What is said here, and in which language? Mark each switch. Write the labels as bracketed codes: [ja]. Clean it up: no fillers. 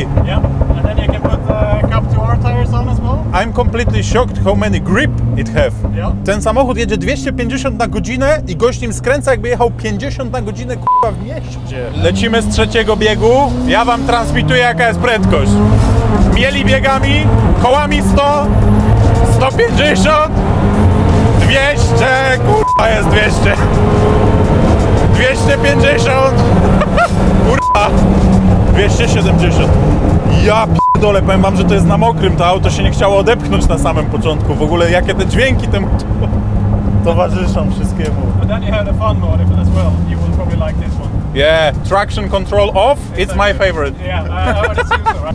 [en] Yeah, and then you can put cup 2R tires on as well. I'm completely shocked how many grip it have. Yeah. [pl] Ten samochód jedzie 250 na godzinę i gość nim skręca jakby jechał 50 na godzinę kurwa w mieście. Lecimy z trzeciego biegu, ja wam transmituję jaka jest prędkość. Mieli biegami, kołami 100, 150, 200, kurwa jest 200. 250, kurwa, 270. Ja pierdolę, powiem wam, że to jest na mokrym, to auto się nie chciało odepchnąć na samym początku. W ogóle jakie te dźwięki tym towarzyszą wszystkiemu. [en] But then you have a fun mode as well, you will probably like this one. Yeah, traction control off, it's my favorite. Yeah, I would assume so, right?